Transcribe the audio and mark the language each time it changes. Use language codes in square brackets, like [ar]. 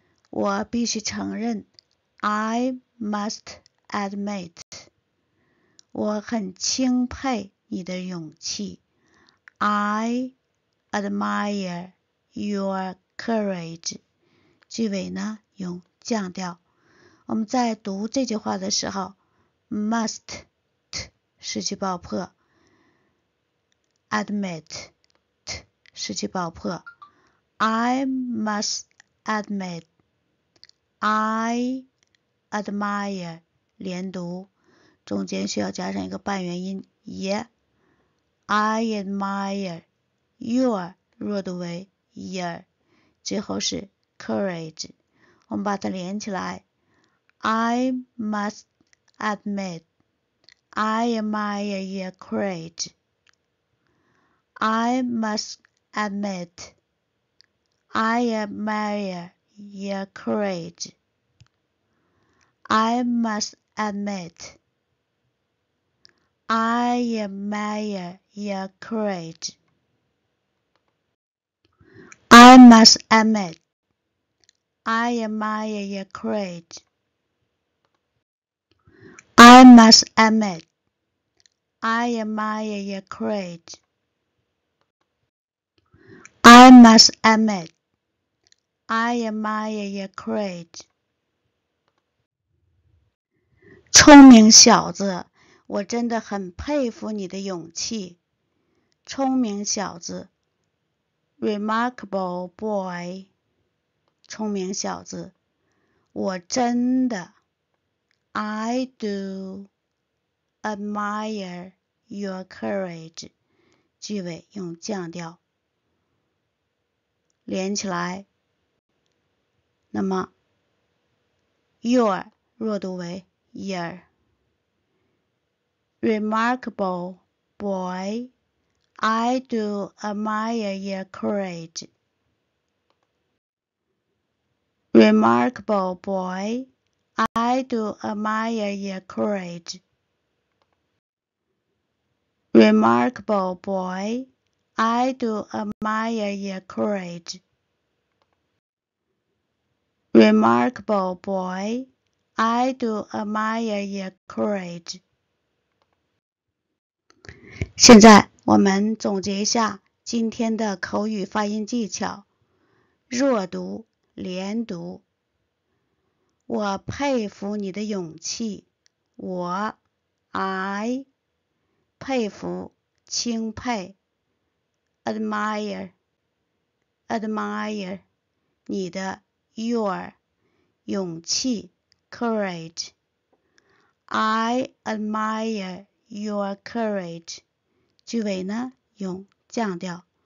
[zh] 我必须承认 [en] I must admit。 [zh] 我很钦佩你的勇气。 [en] I admire your courage。 [zh] 句尾呢，用降调。我们在读这句话的时候，must t 失去爆破，admit t 失去爆破， [en] I must admit I admire [zh] 连读，中间需要加上一个半元音 ye， [en] I admire your [zh] 弱读为 ear，最后是 courage，我们把它连起来。 [en] I must admit, I admire your courage. I must admit, I admire your courage. I must admit, I admire your courage. I must admit, I admire your courage. I must admit, I admire your courage. I must admit, I admire your courage. [zh] 聪明小子，我真的很佩服你的勇气。聪明小子 ， [en] remarkable boy. [zh] 聪明小子，我真的。 [en] I do admire your courage. [zh] 句尾用降调连起来。那么 your 弱读为 year. [en] Remarkable boy. I do admire your courage. Remarkable boy. I do admire your courage. Remarkable boy. I do admire your courage. Remarkable boy. I do admire your courage. [zh] 现在我们总结一下今天的口语发音技巧。弱读，连读。我佩服你的勇气，我 ，I， 佩服，钦佩 ，admire， 你的 ，your， 勇气 ，courage， [en] I admire your courage， [zh] 句尾呢用降调。